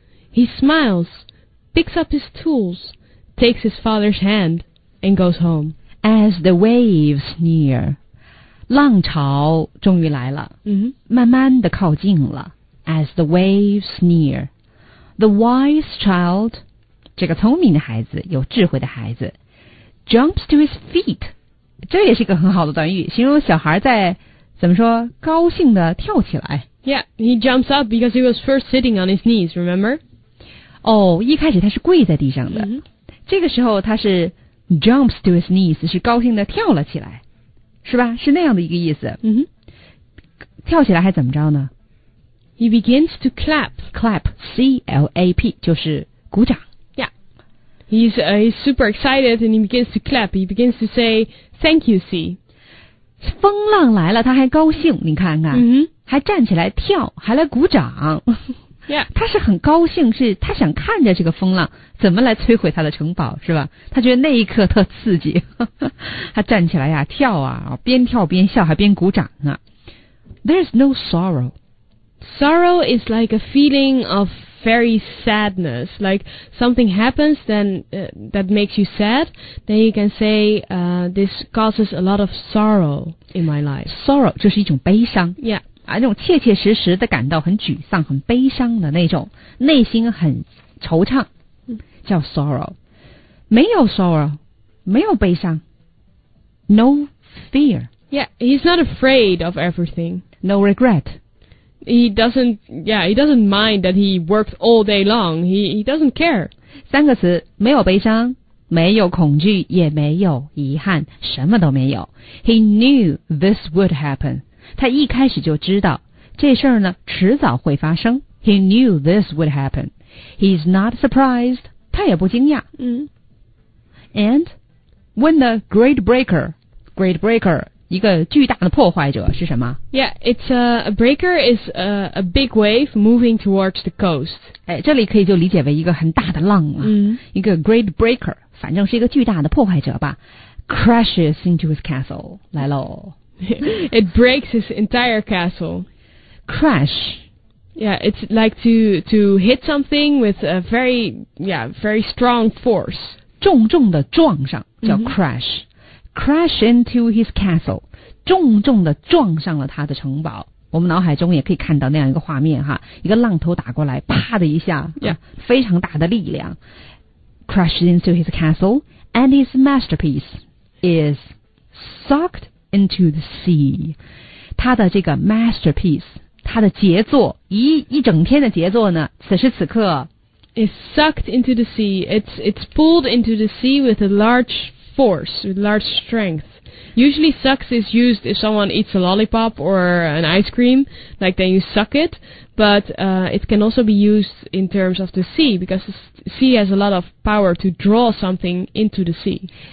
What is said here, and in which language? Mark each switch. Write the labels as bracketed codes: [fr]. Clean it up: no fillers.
[en] He smiles, picks up his tools, takes his father's hand, and goes home. As the waves near, [zh] 浪潮终于来了、慢慢地靠近了。 [en] As the waves near, the wise child [zh] 这个聪明的孩子，有智慧的孩子 [en] jumps to his feet， [zh] 这也是一个很好的短语，形容小孩在怎么说高兴的跳起来。 [en] Yeah, he jumps up because he was first sitting on his knees, remember? [zh] 哦，一开始他是跪在地上的、 mm-hmm. 这个时候他是 [en] jumps to his knees， [zh] 是高兴的跳了起来，是吧？是那样的一个意思、 mm-hmm. 跳起来还怎么着呢？ [en] He begins to clap. [zh] Clap, C-L-A-P, 就是鼓掌。 [en] Yeah. He's super excited and he begins to clap. He begins to say, thank you, C. [zh] 风浪来了，他还高兴，你看看。 Mm-hmm. 还站起来跳，还来鼓掌。 [en] Yeah. [zh] 他是很高兴，是他想看着这个风浪怎么来摧毁他的城堡，是吧？他觉得那一刻特刺激。他站起来呀，跳啊，边跳边笑，还边鼓掌啊。 [en] There's no sorrow. Sorrow is like a feeling of very sadness. Like something happens then,that makes you sad, then you can say,this causes a lot of sorrow in my life. [zh] Sorrow 就是一种悲伤。 [en] Yeah. [zh] 啊，那种切切实实的感到很沮丧很悲伤的那种，内心很惆怅，叫 sorrow. 没有 sorrow, 没有悲伤。 [en] No fear. Yeah, he's not afraid of everything. No regret. He doesn't mind that he worked all day long. He doesn't care. [zh] 三个词，没有悲伤，没有恐惧，也没有遗憾，什么都没有。 [en] He knew this would happen. [zh] 他一开始就知道这事儿呢，迟早会发生。 [en] He knew this would happen. He's not surprised. [zh] 他也不惊讶。嗯。 [en] And when the great breaker. [zh] 一个巨大的破坏者是什么 [en] ？Yeah, it's a breaker is a big wave moving towards the coast. [zh] 哎，这里可以就理解为一个很大的浪了。 Mm-hmm. 一个 great breaker， 反正是一个巨大的破坏者吧。 [en] Crashes into his castle. [zh] 来喽。 [en] It breaks his entire castle. Crash. Yeah, it's like to hit something with a very yeah very strong force. [zh] 重重的撞上叫 crash.、Mm-hmm. [en] Crash into his castle， [zh] 重重的撞上了他的城堡。我们脑海中也可以看到那样一个画面哈，一个浪头打过来，啪的一下、 [en] yeah. [zh] 啊、非常大的力量。 [en] Crash into his castle and his masterpiece is sucked into the sea。 [zh] 他的这个 masterpiece， 他的杰作，一整天的杰作呢，此时此刻 [en] is sucked into the sea， it's pulled into the sea with a largeforce, with large strength. Usually sucks is used if someone eats a lollipop or an ice cream, like then you suck it, but it can also be used in terms of the sea, because the sea has a lot of power to draw something into the sea.